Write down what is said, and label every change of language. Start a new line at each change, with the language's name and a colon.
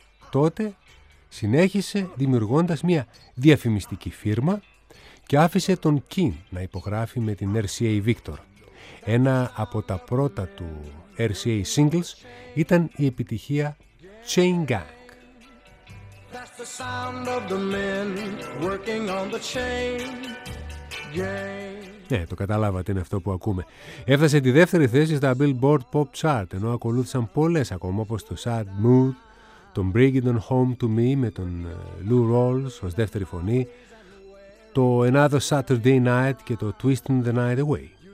Greek: Τότε συνέχισε δημιουργώντας μια διαφημιστική φίρμα και άφησε τον Keane να υπογράφει με την RCA Victor. Ένα από τα πρώτα του RCA singles ήταν η επιτυχία Chain Gang.
English: That's the sound of the men working on the chain.
Greek: Ναι, το καταλάβατε, είναι αυτό που ακούμε. Έφτασε τη δεύτερη θέση στα Billboard Pop Chart, ενώ ακολούθησαν πολλές ακόμα, όπως το Sad Mood, το Bring It On Home To Me με τον Lou Rawls ως δεύτερη φωνή, το Another Saturday Night και το Twisting The Night Away.